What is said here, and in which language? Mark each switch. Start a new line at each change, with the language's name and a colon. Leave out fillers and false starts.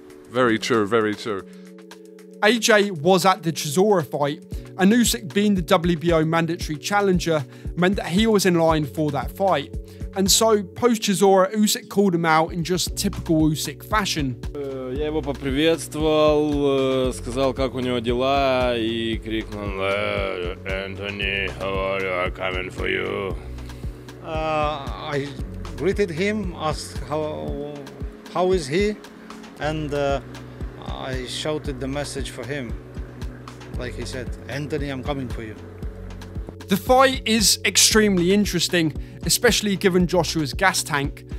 English: Very true, very true. AJ was at the Chisora fight, and Usyk being the WBO mandatory challenger meant that he was in line for that fight. And so, post Chisora, Usyk called him out in just typical Usyk fashion.
Russian: Я его поприветствовал, сказал, как у него дела, и крикнул,
English: Anthony, how are you? I'm coming for you. I greeted him, asked how is he, and I shouted the message for him. Like he said, Anthony, I'm coming for you. The fight is extremely interesting, especially given Joshua's gas tank.